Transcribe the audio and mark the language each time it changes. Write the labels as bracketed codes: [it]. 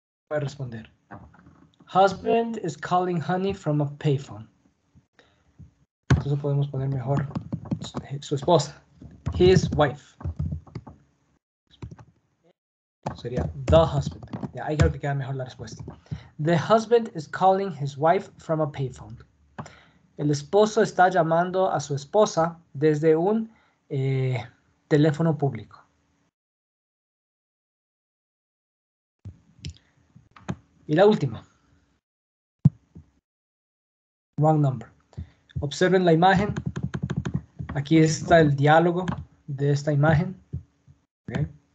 [es] Voy a responder. [en] Husband is calling honey from a payphone. [es] Entonces podemos poner mejor su esposa. [en] His wife. [es] Sería the husband. Ya, ahí creo que queda mejor la respuesta. [en] The husband is calling his wife from a payphone. [es] El esposo está llamando a su esposa desde un teléfono público. Y la última. [en] Wrong number. [es] Observen la imagen. Aquí está el diálogo de esta imagen. Okay.